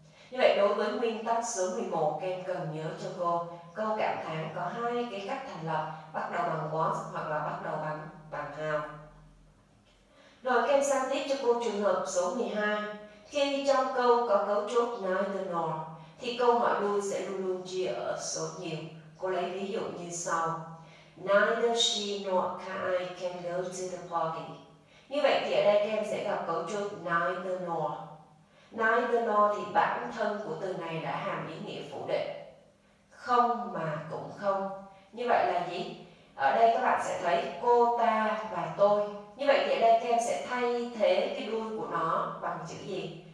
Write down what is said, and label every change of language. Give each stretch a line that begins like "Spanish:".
Vietnamese: Như vậy đối với nguyên tắc số 11 em cần nhớ cho cô câu cảm thán có hai cái cách thành lập, bắt đầu bằng was hoặc là bắt đầu bằng how. Rồi em sang tiếp cho cô trường hợp số 12. Khi trong câu có cấu trúc neither nor thì câu hỏi đuôi sẽ luôn luôn chia ở số nhiều. Cô lấy ví dụ như sau.
English: Neither she nor I can go to the party.
Vietnamese: Như vậy thì ở đây các em sẽ gặp cấu trúc neither nor. Neither nor thì bản thân của từ này đã hàm ý nghĩa phủ định. Không mà cũng không. Như vậy là gì? Ở đây các bạn sẽ thấy cô ta và tôi. Như vậy thì ở đây các em sẽ thay thế cái đuôi của nó bằng chữ gì?